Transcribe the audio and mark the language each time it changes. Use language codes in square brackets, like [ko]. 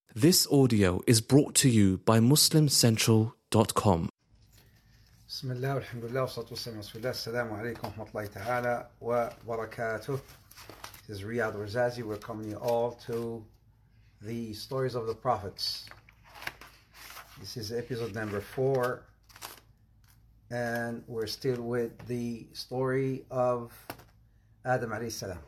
[en] This audio is brought to you by MuslimCentral.com. [ar] بسم الله والحمد لله والصلاة والسلام على رسول الله. السلام عليكم ورحمة الله تعالى وبركاته. [en] This is Riyad Razazi welcoming you all to the stories of the prophets. This is episode number 4 and we're still with the story of Adam عليه السلام.